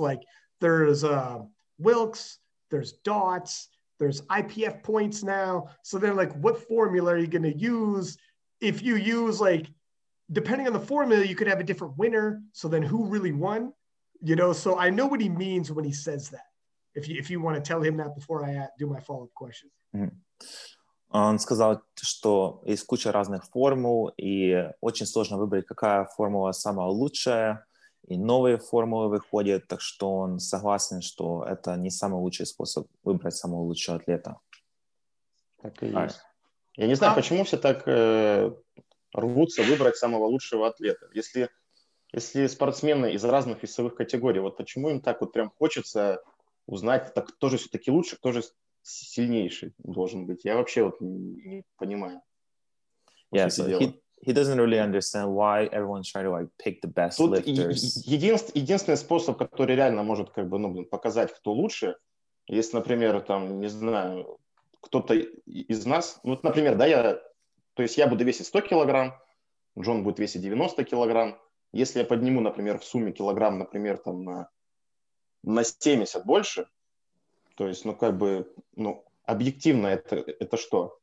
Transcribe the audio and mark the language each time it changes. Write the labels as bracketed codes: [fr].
[en] Like there's Wilkes, there's Dots, there's IPF points now. So then like, what formula are you going to use? If you use like, depending on the formula, you could have a different winner. So then who really won? You know, so I know what he means when he says that. If you want to tell him that before I do my follow-up question. [uk] Он сказав, що є куча різних формул, і дуже складно вибрати, яка формула сама краща, і нові формули виходять, так що він согласен, що це не найкращий спосіб вибрати найкращого атлета. Так і є. [en] Right. [uk] Я не знаю, чому всі так рвуться вибрати найкращого атлета. Якщо спортсмени із різних вісових категорій, от чому їм так от прям хочеться [ru] узнать, так кто же все-таки лучше, кто же сильнейший должен быть. Я вообще вот не понимаю. [en] Yeah, so he doesn't really understand why everyone's trying to like pick the best [ru] тут [en] lifters. [ru] Единственный способ, который реально может как бы, ну, блин, показать, кто лучше, если, например, там, не знаю, кто-то из нас, ну, вот, например, да, я буду весить 100 килограмм, Джон будет весить 90 килограмм. Если я подниму, например, в сумме килограмм, например, там, на 70 больше, то есть, ну, как бы, ну, объективно это что?